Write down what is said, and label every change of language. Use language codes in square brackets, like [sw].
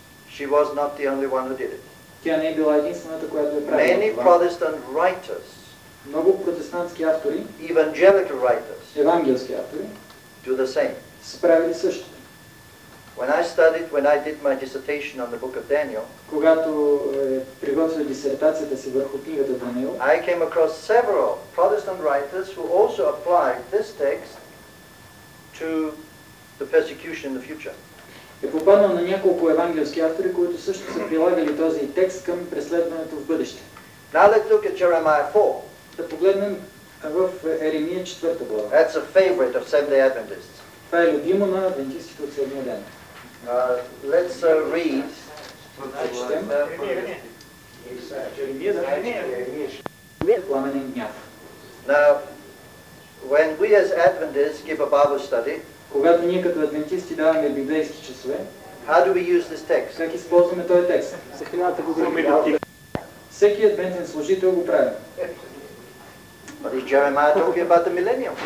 [en] She was not the only one who did it. [bg] Тя не е била единствената, която е правила това. [en] Many Protestant writers, [bg] много протестантски автори, [en] evangelical writers, [bg] евангелски автори, [en] do the same. [bg] Справили същото. [en] When I studied, when I did my dissertation on the book of Daniel, [bg] когато приготвих дисертацията си върху книгата Даниил, [en] I came across several Protestant writers who also applied this text to the persecution in the future. [bg] Е попаднал на няколко евангелски автори, които също са прилагали този текст към преследването в бъдеще. [en] Now let's look at Jeremiah 4. [bg] Да погледнем в Еремия 4 глава. [en] That's a favorite of Seventh-day Adventists. [bg] Това е любимо на адвентистите от Седмия ден. [en] Let's read. [bg] Четем. Пламенен гняв. [en] Now, when we as Adventists give a Bible study, [bg] когато ние като адвентисти даваме библейски часове, [en] how do we use this text? [bg] Как използваме този текст? Съхраната го говори. Всеки адвентен служител го прави. [en] But is Jeremiah talking about the millennium?